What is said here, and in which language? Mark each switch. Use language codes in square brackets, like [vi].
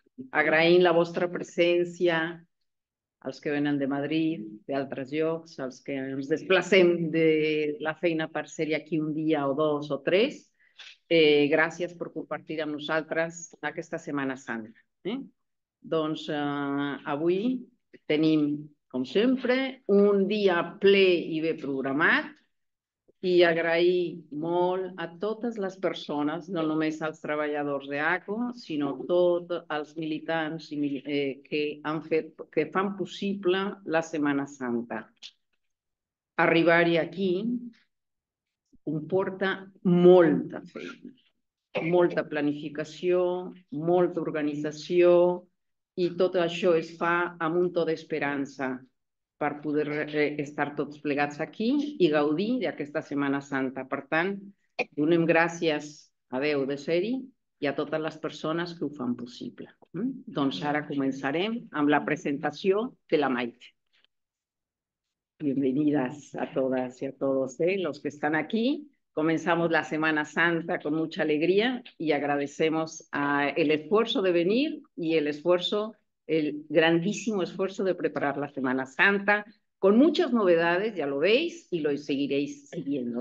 [es] Agraín la vuestra presencia, a los que vienen de Madrid, de otros lugares, a los que nos desplacen [ca] de la feina [es] para ser aquí un día o dos o tres. Gracias por compartir a nosotras esta Semana Santa. [ca] Doncs, avui tenim, com sempre, un dia ple i bé programat i agrair molt a totes les persones, no només als treballadors d'ACO, sinó tots els militants que han fet, que fan possible la Setmana Santa. Arribar-hi aquí comporta molta feina, molta planificació, molta organització, i tot això es fa amb un to d'esperança per poder estar tots plegats aquí i gaudir d'aquesta Setmana Santa. Per tant, donem gràcies a Déu de ser-hi i a totes les persones que ho fan possible. Doncs ara començarem amb la presentació de la Maite. [es] Bienvenidas a todas y a todos, los que están aquí. Comenzamos la Semana Santa con mucha alegría y agradecemos el esfuerzo de venir y el esfuerzo, el grandísimo esfuerzo de preparar la Semana Santa con muchas novedades, ya lo veis y lo seguiréis siguiendo.